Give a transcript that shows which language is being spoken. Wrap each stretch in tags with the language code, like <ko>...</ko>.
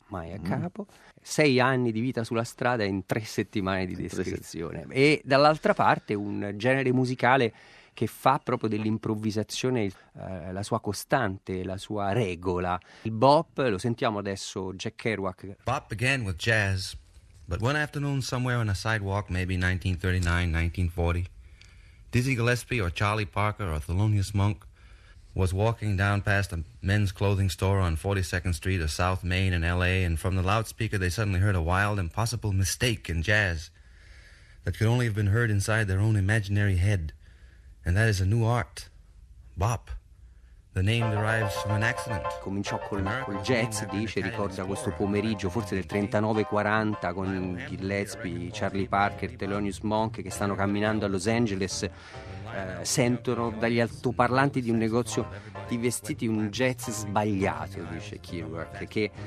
<it>Mai a capo. 6 anni di vita sulla strada in 3 settimane di descrizione. E dall'altra parte un genere musicale che fa proprio dell'improvvisazione la sua costante, la sua regola. Il bop, lo sentiamo adesso, Jack Kerouac.</it> <en>Bop began with jazz, but one afternoon somewhere on a sidewalk, maybe 1939, 1940, Dizzy Gillespie or Charlie Parker or Thelonious Monk was walking down past a men's clothing store on 42nd Street of South Main in L.A., and from the loudspeaker they suddenly heard a wild, impossible mistake in jazz that could only have been heard inside their own imaginary head, and that is a new art, bop. The name derives from an accident.</en> <it>Cominciò col jazz, dice, ricorda questo pomeriggio, forse del 39-40, con Gillespie, Charlie Parker, Thelonious Monk, che stanno camminando a Los Angeles, sentono dagli altoparlanti di un negozio di vestiti un jazz sbagliato, dice Kerouac, che</it>